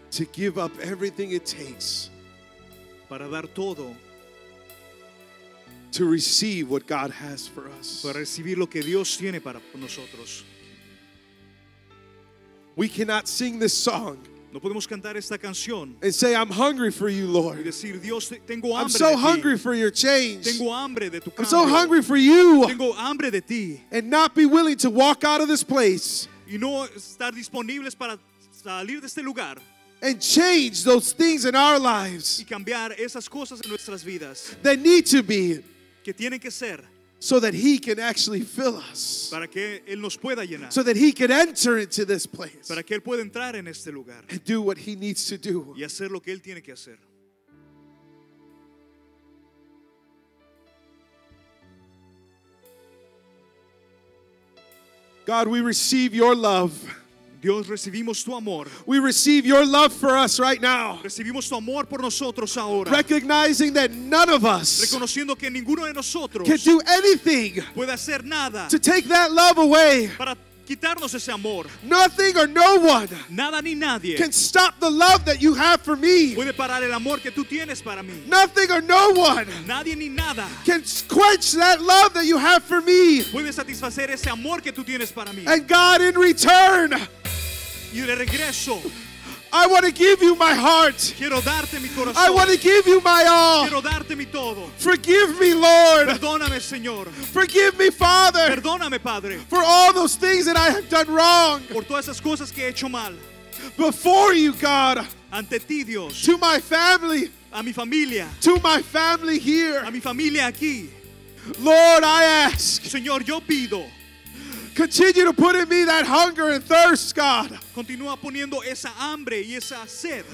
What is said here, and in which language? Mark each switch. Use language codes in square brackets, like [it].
[en] To give up everything it takes. [es] Para dar todo. [en] To receive what God has for us. [es] Para recibir lo que Dios tiene para nosotros. [en] We cannot sing this song. [es] No podemos cantar esta canción. [en] And say, I'm hungry for you, Lord. [es] Y decir, Dios, tengo hambre. [en] I'm so [es] de [en] hungry [es] ti. [en] For your change. [es] Tengo hambre de tu cambio. [en] I'm so hungry for you. [es] Tengo hambre de ti. [en] And not be willing to walk out of this place. [es] Y no estar disponibles para salir de este lugar. [en] And change those things in our lives. [es] Y cambiar esas cosas en nuestras vidas. [en] That need to be. [es] Que tienen que ser. [en] So that he can actually fill us. [es] Para que él nos pueda llenar. [en] So that he can enter into this place. [es] Para que él pueda entrar en este lugar. [en] And do what he needs to do. [es] Y hacer lo que él tiene que hacer. [en] God, we receive your love. [es] Dios, recibimos tu amor. [en] We receive your love for us right now. [es] Recibimos tu amor por nosotros ahora. [en] Recognizing that none of us, [es] reconociendo que ninguno de nosotros, [en] can do anything, [es] puede hacer nada, [en] to take that love away. [es] Para quitarnos ese amor. [en] Nothing or no one, [es] nada ni nadie, [en] can stop the love that you have for me. [es] Puede parar el amor que tú tienes para mí. [en] Nothing or no one, [es] nadie ni nada, [en] can quench that love that you have for me. [es] Puede satisfacer ese amor que tú tienes para mí. [en] And God, in return, [es] y de regreso, [en] I want to give you my heart. [es] Quiero darte mi corazón. [en] I want to give you my all. [es] Quiero darte mi todo. [en] Forgive me, Lord. [es] Perdóname, Señor. [en] Forgive me, Father. [es] Perdóname, Padre. [en] For all those things that I have done wrong. [es] Por todas esas cosas que he hecho mal. [en] Before you, God. [es] Ante ti, Dios. [en] To my family. [es] A mi familia. [en] To my family here. [es] A mi familia aquí. [en] Lord, I ask. [es] Señor, yo pido. [en] Continue to put in me that hunger and thirst, God. [es] Continúa poniendo esa hambre y esa sed.